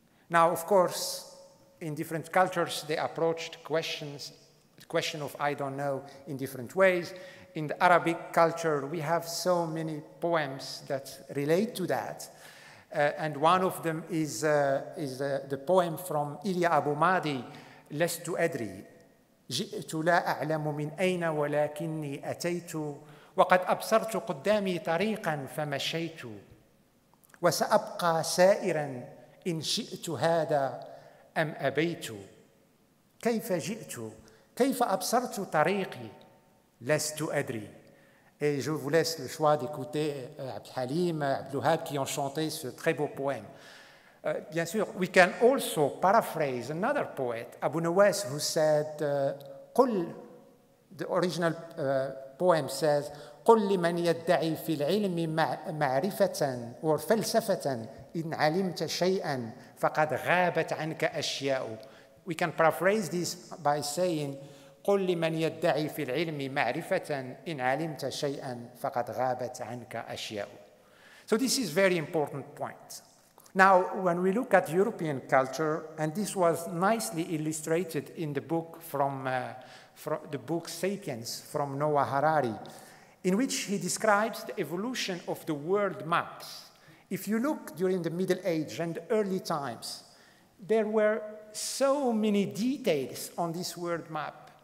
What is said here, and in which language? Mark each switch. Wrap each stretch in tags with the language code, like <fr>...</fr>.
<en>Now, of course, in different cultures, they approached questions, the question of I don't know, in different ways. In the Arabic culture, we have so many poems that relate to that. And one of them is the poem from Ilya Abu Mahdi, Lestu Adri.</en> <ar>جئت لا أعلم من أين ولكني أتيت وقد أبصرت قدامي طريقا فمشيت وسأبقى سائرا إن شئت هذا أم أبيت كيف جئت كيف أبصرت طريقي لست أدري.</ar> <fr>Et je vous laisse le choix d'écouter Abd Halim, Abd Luhab qui ont chanté ce très beau poème. Bien sûr,</fr> <en>we can also paraphrase another poet, Abu Nawas, who said, قل, the original poem says,</en> <ar>قل لمن يدعي في العلم معرفة وفلسفة إن علمت شيئا فقد غابت عنك أشياء.</ar> <en>We can paraphrase this by saying,</en> <ar>قل لمن يدعي في العلم معرفة إن علمت شيئا فقد غابت عنك أشياء.</ar> <en>So this is very important point. Now, when we look at European culture, and this was nicely illustrated in the book from the book Sapiens from Noah Harari, in which he describes the evolution of the world maps. If you look during the Middle Age and the early times, there were so many details on this world map.</en>